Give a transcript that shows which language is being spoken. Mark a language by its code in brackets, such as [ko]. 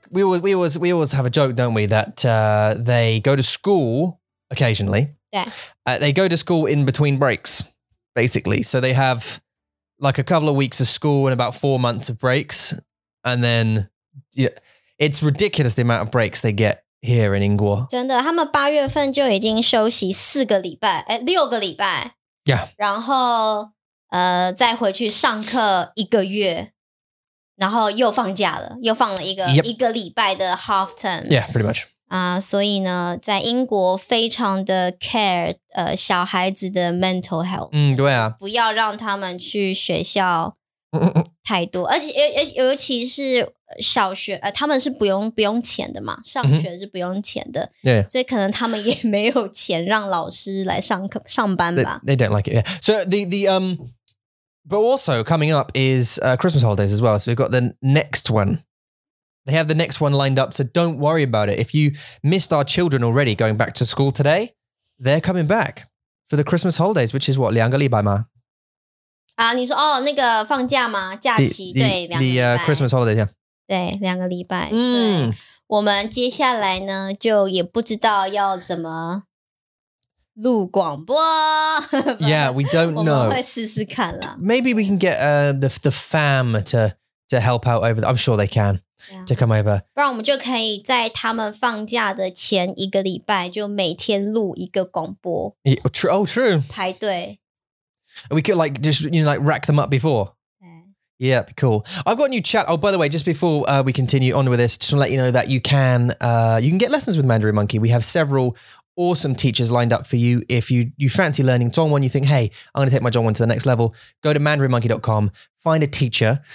[en] We always have a joke, don't we, that they go to school occasionally. Yeah. They go to school in between breaks, basically. So they have like a couple of weeks of school and about 4 months of breaks. And then, yeah, it's ridiculous the amount of breaks they get here in Ingwo. [zh] 真的，他们八月份就已经休息四个礼拜，哎，六个礼拜。 [en] Yeah. [zh] 然后，再回去上课一个月，然后又放假了，又放了一个、 [en] yep. [zh] 一个礼拜的 half term. [en] Yeah, pretty much. [zh] 所以呢，在英国非常的 care 小孩子的 mental health. 嗯，对啊。不要让他们去学校。太多，而且尤其是小学，他们是不用钱的嘛，上学是不用钱的，对、 [en] mm-hmm. ， [zh] 所以可能他们也没有钱让老师来上课上班吧。 [en] They don't like it. Yeah. So the but also coming up is Christmas holidays as well. So we've got the next one. They have the next one lined up. So don't worry about it. If you missed our children already going back to school today, they're coming back for the Christmas holidays, which is what [zh] 两个礼拜吗？你说哦，那个放假吗？假期 [en] the, [zh] 对，两个礼拜。 [en] Christmas holiday， [zh] 对，两个礼拜。嗯，我们接下来呢，就也不知道要怎么录广播。 [en] Yeah, we don't know. [zh] 我们会试试看啦。 [en] Maybe we can get the fam to help out over. I'm sure they can、yeah. to come over. [zh] 不然我们就可以在他们放假的前一个礼拜，就每天录一个广播。 [en] Yeah, true. Oh, true. [zh] 排队。 [en] We could like just, you know, like rack them up before. Okay. Yeah, be cool. I've got a new chat. Oh, by the way, just before we continue on with this, just want to let you know that you can get lessons with Mandarin Monkey. We have several awesome teachers lined up for you. If you fancy learning Zhongwen, you think, hey, I'm going to take my Zhongwen to the next level, go to mandarinmonkey.com, find a teacher.